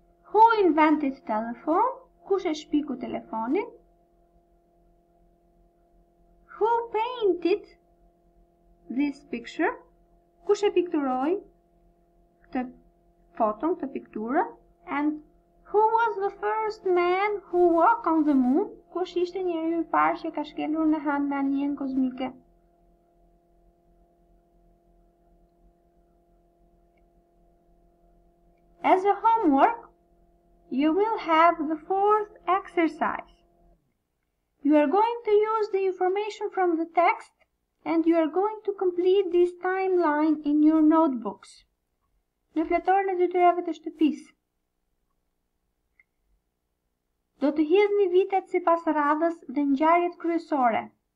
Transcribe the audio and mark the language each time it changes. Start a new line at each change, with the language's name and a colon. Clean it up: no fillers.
English: Who invented telephone?
Albanian: Kush e shpiku telefonin?
English: Who painted this picture?
Albanian: Kush e pikturoi këtë foton, këtë pikturë?
English: And who was the first man who walked on the moon?
Albanian: Kush ishte njeriu I parë që ka shkelur në hënë me anijen kozmike?
English: As a homework, you will have the fourth exercise. You are going to use the information from the text and you are going to complete this timeline in your notebooks.
Albanian: Në fletorin e detyrave të shtëpisë. Do të hidhni vitet sipas radhës dhe ngjarjet kryesore.